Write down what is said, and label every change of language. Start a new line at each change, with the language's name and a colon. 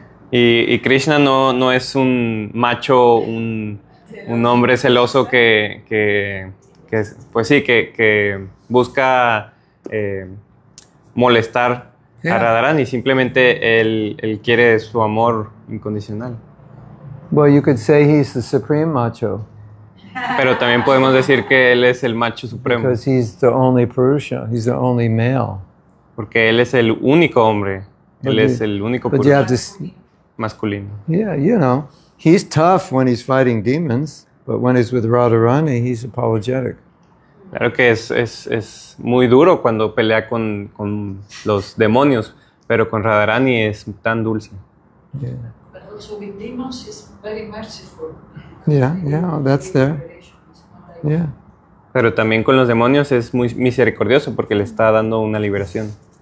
Spanish: Y Krishna no es un macho, un hombre celoso que pues sí, que busca molestar a Radharani. Simplemente él quiere su amor incondicional.
English: Well, you could say he's the supreme macho.
Spanish: Pero también podemos decir que él es el macho supremo.
English: Because he's the only Purusha, he's the only male.
Spanish: Porque él es el único hombre. Él es el único Purusha. Masculino.
English: Yeah, you know, he's tough when he's fighting demons, but when he's with Radharani, he's apologetic.
Spanish: Claro que es muy duro cuando pelea con los demonios, pero con Radharani es tan dulce.
English: Yeah. But also with demons, he's very merciful. Yeah, that's there. Yeah.
Spanish: Pero también con los demonios es muy misericordioso porque le está dando una liberación.